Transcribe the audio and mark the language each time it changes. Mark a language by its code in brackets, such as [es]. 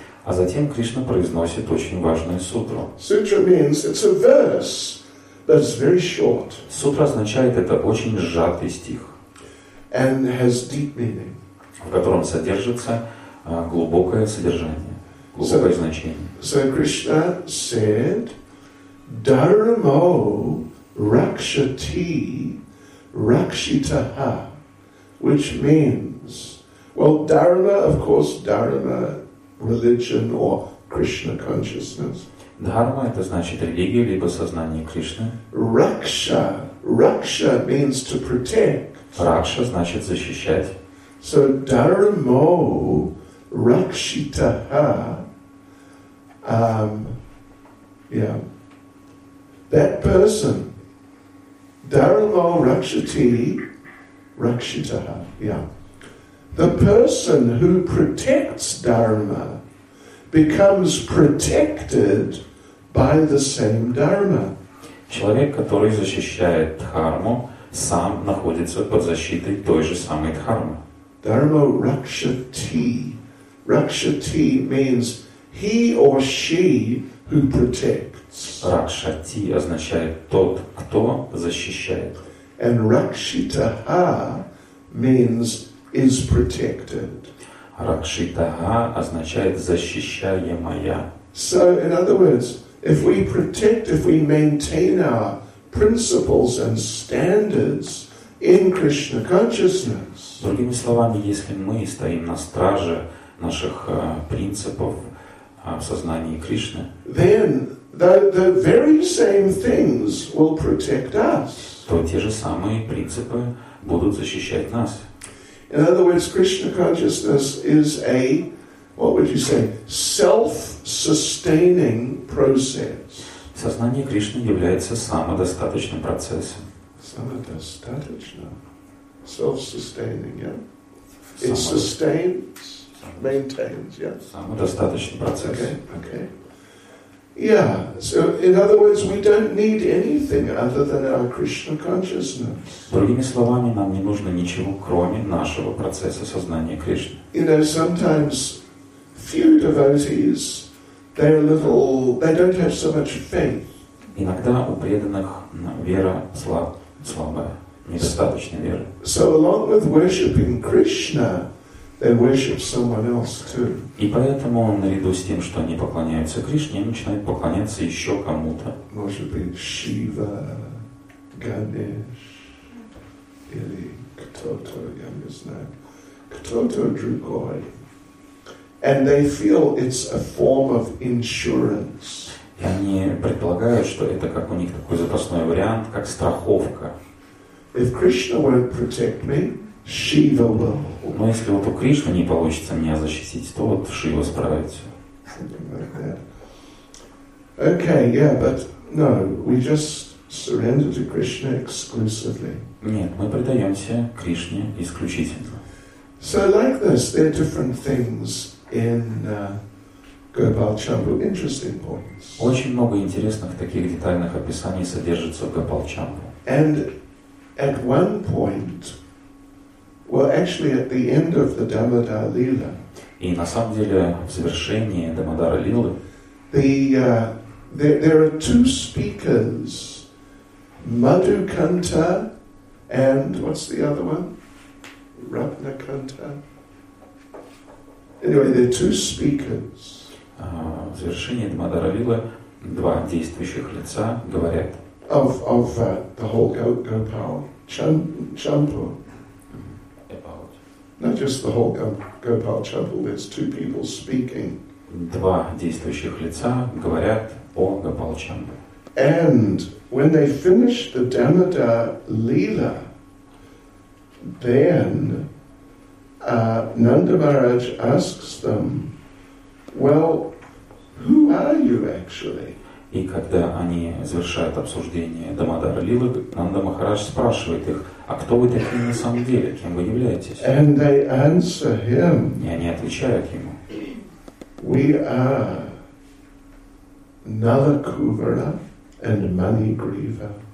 [ru] А затем Кришна произносит очень важную сутру. [en] Sutra means it's a verse, but it's very short. [ru] Сутра означает это очень сжатый стих. [en] And has deep meaning. [ru] В котором содержится глубокое содержание, глубокое значение. [en] So Krishna said, "Dharmo rakshati." Rakshitaha, which means, well, dharma, of course, dharma, religion or Krishna consciousness. [ru] Dharma это значит религия либо сознание Кришны. [en] Raksha means to protect. [ru] Raksha значит защищать. [en] So dharmo rakshitaha, Yeah. That person, Dharamo Rakshati Rakshitaha. Yeah. The person who protects Dharma becomes protected by the same Dharma. [ru] Человек, который защищает дхарму, сам находится под защитой той же самой дхармы. [en] Dharma Rakshati. Rakshati means he or she who protects. [ru] Rakshati означает тот, кто защищает. [en] And Rakshitaha means is protected. [ru] Rakshitaha означает защищаемая. [en] So, in other words, if we protect, if we maintain our principles and standards in Krishna consciousness. [ru] Другими словами, если мы стоим на страже наших принципов в сознании Кришны, [en] then the very same things will protect us. [ru] То те же самые принципы будут защищать нас. [en] In other words, Krishna consciousness is a, what would you say, self-sustaining process. [ru] Сознание Кришны является самодостаточным процессом. Самодостаточным. [en] Self-sustaining, yeah? It sustains, maintains, yeah? [ru] Самодостаточный процесс. [en] Okay. Yeah, so in other words, we don't need anything other than our Krishna consciousness. [ru] Другими словами, нам не нужно ничего, кроме нашего процесса сознания Кришны. [en] You know, sometimes few devotees, they don't have so much faith. [ru] Иногда у преданных вера слабая, недостаточная вера. [en] So along with worshipping Krishna, they worship someone else too. [ru] И поэтому наряду с тем, что они поклоняются Кришне, они начинают поклоняться еще кому-то. Может быть, Шива, Ганеш, или кто-то, я не знаю, кто-то другой. [en] And they feel it's a form of insurance. [ru] И они предполагают, что это как у них такой запасной вариант, как страховка. [en] If Krishna won't protect me, Shiva will. [ru] Но если вот у Кришны не получится меня защитить, то вот Шива справится. [en] Okay, yeah, but no, we just surrender to Krishna exclusively. [ru] Нет, мы предаемся Кришне исключительно. [en] So like this, there are different things in Gopalchambu. Interesting points. [ru] Очень много интересных таких детальных описаний содержится в Гопалчамбу. [en] And at one point. Well, actually, at the end of the Damodara Lila. [ru] И на самом деле в завершении Дамодара Лилы. [en] There are two speakers, Madhukanta and what's the other one? Ratnakanta. Anyway, there are two speakers. [ru] В завершении Дамодара Лилы два действующих лица говорят. [en] The whole Gopal Champu. Not just the whole Gopal Champu, there's two people speaking. [ru] Два действующих лица говорят о Гопал Чампу. [en] And when they finish the Damodar Lila, then Nanda Maharaj asks them, well, who are you actually? [ru] И когда они завершают обсуждение Дамодара Лилы, Нанда Махарадж спрашивает их, а кто вы такие на самом деле, кем вы являетесь? [en] And they answer him, [ru] и они отвечают ему, [en] we are Nalakuvara and Manigriva.